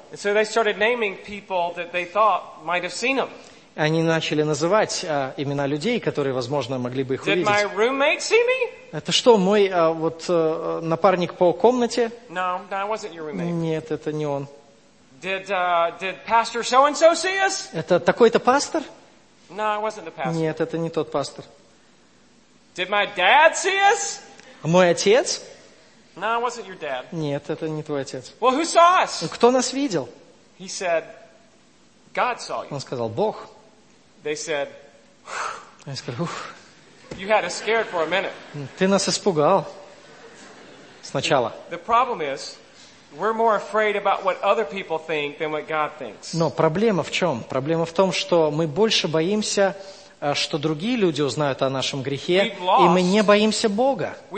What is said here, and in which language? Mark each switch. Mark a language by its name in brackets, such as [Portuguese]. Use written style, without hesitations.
[English] And so they started naming people that they thought might have seen them. [Russian] Они начали называть имена людей, которые, возможно, могли бы их увидеть. [English] Did my roommate see me? [Russian] Это что, мой напарник по комнате? [English] No, it wasn't your roommate. [Russian] Нет, это не он. [English] Did pastor so and so see us? [Russian] Это такой-то пастор? [English] No, it wasn't the pastor. [Russian] Нет, это не тот пастор. [English] Did my dad see us? [Russian] Мой отец? [English] No, it wasn't your dad. [Russian] Нет, это не твой отец. [English] Well, who saw us? [Russian] Кто нас видел? [English] He said, God saw you. [Russian] Он сказал, Бог. [English] They said, [Russian] они сказали, ух. [English] You had us scared for a minute. [Russian] Ты нас испугал сначала. [English] The problem is, we're more afraid about what other people think than what God thinks. [Russian] Но проблема в чем? Проблема в том, что мы больше боимся, что другие люди узнают о нашем грехе, и мы не боимся Бога.